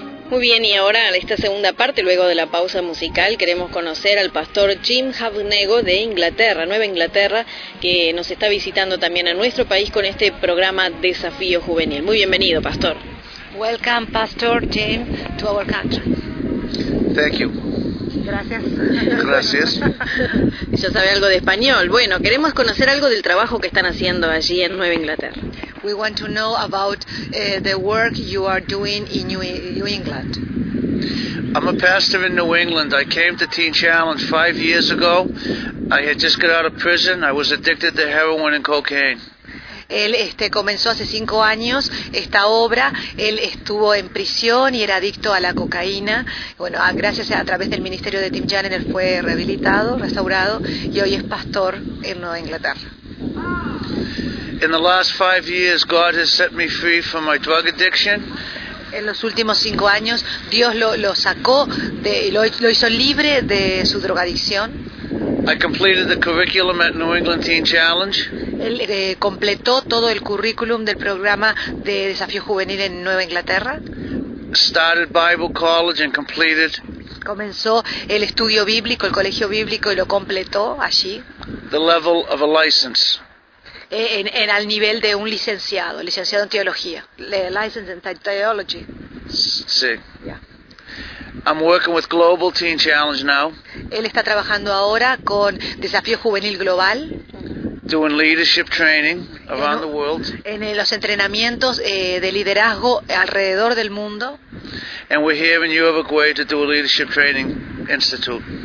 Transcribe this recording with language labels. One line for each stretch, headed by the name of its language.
Spanish: Muy bien, y ahora en esta segunda parte, luego de la pausa musical, queremos conocer al pastor Jim Habnego de Inglaterra, Nueva Inglaterra, que nos está visitando también a nuestro país con este programa Desafío Juvenil. Muy bienvenido, pastor.
English: Welcome, Pastor Jim, to our country. Thank you.
Spanish: Gracias. Ya sabe algo de español. Bueno, queremos conocer algo del trabajo que están haciendo allí en Nueva Inglaterra.
English: We want to know about the work you are doing in New England. I'm a pastor in New England. I came to Teen Challenge 5 years ago. I had just got out of prison. I was addicted to heroin and cocaine.
Spanish: Él comenzó hace 5 años esta obra. Él estuvo en prisión y era adicto a la cocaína. Bueno, gracias a través del ministerio de Tim Jan, él fue rehabilitado, restaurado, y hoy es pastor en Nueva Inglaterra.
English: In the last 5 years, God has set me free from my drug addiction.
Spanish: En los últimos 5 años, Dios lo sacó de, lo hizo libre de su drogadicción.
English: I completed the curriculum at New England Teen Challenge.
Spanish: Él completó todo el currículum del programa de Desafío Juvenil en Nueva Inglaterra.
English: Started Bible College and completed.
Spanish: Comenzó el estudio bíblico, el colegio bíblico, y lo completó allí.
English: The level of a license.
Spanish: En al nivel de un licenciado, licenciado en teología.
English: License in theology.
Spanish: Sí.
English: I'm working with Global Teen Challenge now.
Spanish: Él está trabajando ahora con Desafío Juvenil Global.
English: Doing leadership training around the world.
Spanish: En los entrenamientos de liderazgo alrededor del mundo.
English: And we're here in Uruguay to do a leadership training institute.